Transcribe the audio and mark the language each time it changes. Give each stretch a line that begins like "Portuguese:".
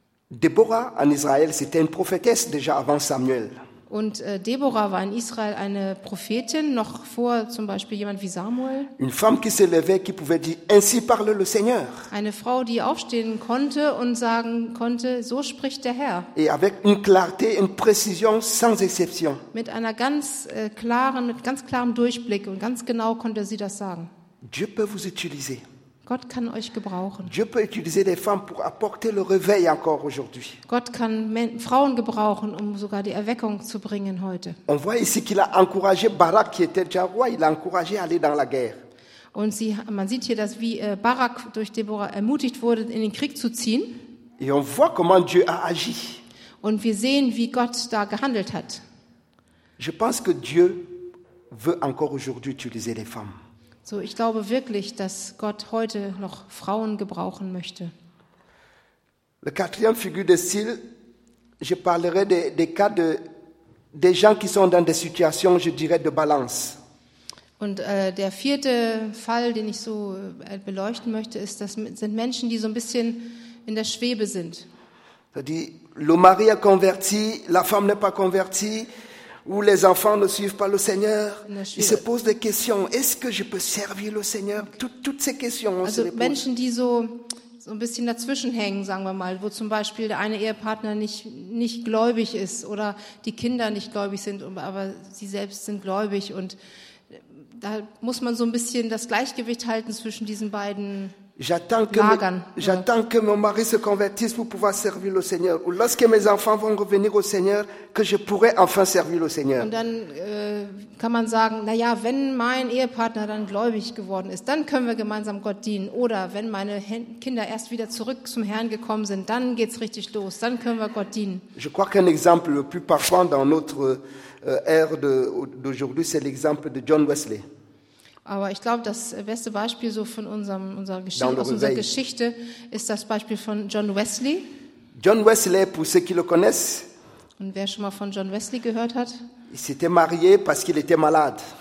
French: Deborah en Israël, c'était une prophétesse déjà avant Samuel.
German: Und Deborah war in Israel eine Prophetin noch vor zum Beispiel jemand wie Samuel.
French: Une femme qui se levait, qui pouvait dire ainsi parle le Seigneur.
German: Eine Frau, die aufstehen konnte und sagen konnte, so spricht der Herr.
French: Et avec une clarté, une précision sans exception.
German: Mit einer ganz klaren, mit ganz klarem Durchblick und ganz genau konnte sie das sagen.
French: Dieu peut vous utiliser.
German: Gott kann euch gebrauchen.
French: Dieu peut utiliser des femmes pour apporter le réveil encore aujourd'hui.
German: Gott kann Frauen gebrauchen, um sogar die Erweckung zu bringen heute.
French: On voit ici qu'il a encouragé Barak qui était déjà roi, il l'a encouragé à aller dans la guerre.
German: Und man sieht hier, dass wie Barak durch Deborah ermutigt wurde, in den Krieg zu ziehen.
French: Et on voit comment Dieu a agi.
German: Und wir sehen, wie Gott da gehandelt hat.
French: Je pense que Dieu veut encore aujourd'hui utiliser les femmes.
German: So, ich glaube wirklich, dass Gott heute noch Frauen gebrauchen möchte.
French: La quatrième figure de style, je parlerai des cas des gens qui sont dans des situations, je dirais, de balance.
German: Und der vierte Fall, den ich so beleuchten möchte, ist, das sind Menschen, die so ein bisschen in der Schwebe sind.
French: C'est-à-dire, le mari est converti, la femme n'est pas convertie. Où les enfants ne suivent pas le Seigneur, ils se posent des questions. Est-ce que je peux servir le Seigneur? Toutes ces questions.
German: Also Menschen, die so ein bisschen dazwischen hängen, sagen wir mal, wo zum Beispiel der eine Ehepartner nicht gläubig ist oder die Kinder nicht gläubig sind, aber sie selbst sind gläubig und da muss man so ein bisschen das Gleichgewicht halten zwischen diesen beiden.
French: J'attends que mon mari se convertisse pour pouvoir servir le Seigneur. Ou lorsque mes enfants vont revenir au Seigneur, que je pourrai enfin servir le Seigneur.
German: Und dann kann man sagen, naja, wenn mein Ehepartner dann gläubig geworden ist, dann können wir gemeinsam Gott dienen. Oder wenn meine Kinder erst wieder zurück zum Herrn gekommen sind, dann geht's richtig los, dann können wir Gott dienen.
French: Je crois qu'un exemple le plus parfois dans notre ère d'aujourd'hui, c'est l'exemple de John Wesley.
German: Aber ich glaube, das beste Beispiel so von unserer Geschichte ist das Beispiel von John Wesley.
French: John Wesley, pour ceux qui le connaissent.
German: Und wer schon mal von John Wesley gehört hat?
French: Il s'était marié parce qu'il était malade.